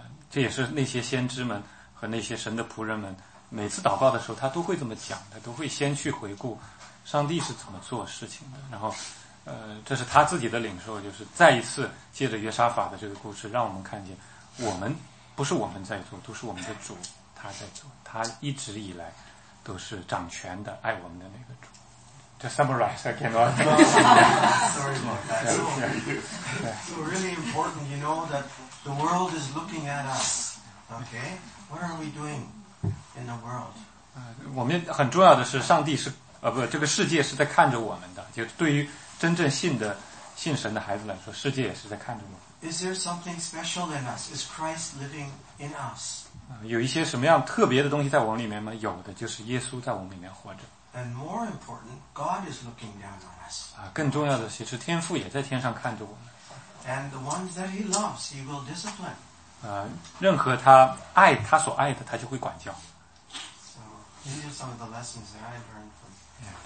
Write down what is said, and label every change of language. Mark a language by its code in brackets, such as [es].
[zh] 这也是那些先知们和那些神的仆人们每次祷告的时候他都会这么讲，他都会先去回顾上帝是怎么做事情的，然后这是他自己的领受，就是再一次借着约沙法的这个故事让我们看见，我们不是我们在做，都是我们的主他在做，他一直以来都是掌权的爱我们的那个主。 [en] To summarize, I cannot. Sorry about that. So really important, you know, that the world is looking at us. Okay? What are we doing in the world? [zh] 我们很重要的是上帝是不，这个世界是在看着我们的，就对于真正信的信神的孩子来说，世界也是在看着我们。 [en] Is there something special in us? Is Christ living in us? [zh] 有一些什么样特别的东西在我们里面吗？有的，就是耶稣在我们里面活着。 [en] And more important, God is looking down on us. [zh] 更重要的，其实天父也在天上看着我们。 [en] And the ones that He loves, He will discipline. [zh] 任何他爱他所爱的，他就会管教。 [en] So these are some of the lessons that I learned from.